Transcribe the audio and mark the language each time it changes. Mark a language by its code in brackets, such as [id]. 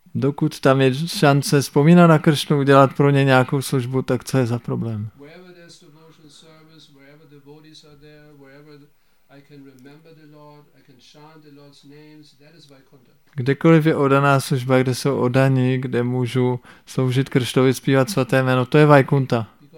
[cs] Dokud tam je šance vzpomínat na Krishnu, udělat pro ně nějakou službu, tak co je za problém? [en] Wherever there's devotional service, wherever the devotees are there, wherever I can remember the Lord, I can chant the Lord's names, that is Vaikuntha. [cs] Kdekoliv je oddaná služba, kde jsou oddaní, kde můžu sloužit Krishnovi, zpívat svaté jméno, to je Vaikuntha.